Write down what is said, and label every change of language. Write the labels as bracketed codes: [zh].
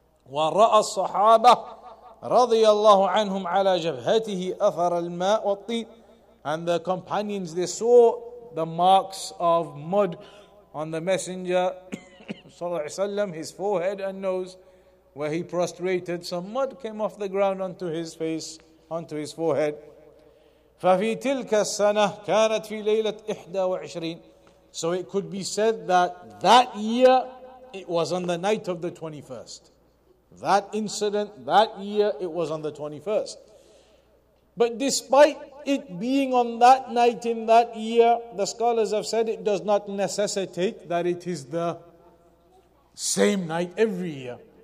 [ar] وَرَأَ الصَّحَابَةِ رَضِيَ اللَّهُ عَنْهُمْ عَلَى جَبْهَتِهِ أَثَرَ الْمَاءُ وَالطِّينِ. [en] And the companions, they saw the marks of mud on the messenger sallallahu alaihi wasallam, his forehead and nose, where he prostrated. Some mud came off the ground onto his face, onto his forehead. [ar] ففي تلك السنة كانت في ليلة 21. [en] So it could be said that that year, it was on the night of the 21st. That incident, that year, it was on the 21st. But despite it being on that night in that year, the scholars have said it does not necessitate that it is the same night every year.